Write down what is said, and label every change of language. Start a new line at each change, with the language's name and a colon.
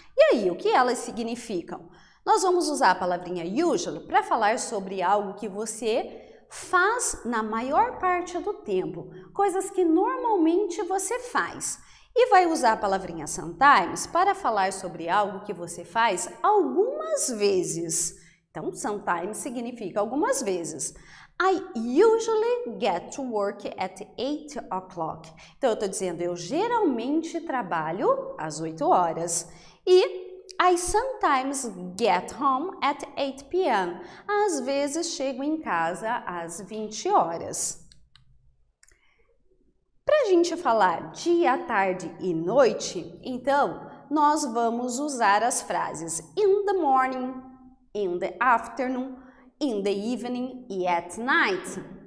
Portuguese: E aí, o que elas significam? Nós vamos usar a palavrinha usually para falar sobre algo que você faz na maior parte do tempo, coisas que normalmente você faz. E vai usar a palavrinha sometimes para falar sobre algo que você faz algumas vezes. Então, sometimes significa algumas vezes.
English: I usually get to work at 8 o'clock.
Portuguese: Então, eu estou dizendo, eu geralmente trabalho às 8 horas.
English: E I sometimes get home at 8 p.m.
Portuguese: Às vezes, chego em casa às 20 horas. Para a gente falar dia, tarde e noite, então nós vamos usar as frases
English: in the morning, in the afternoon, in the evening e at night.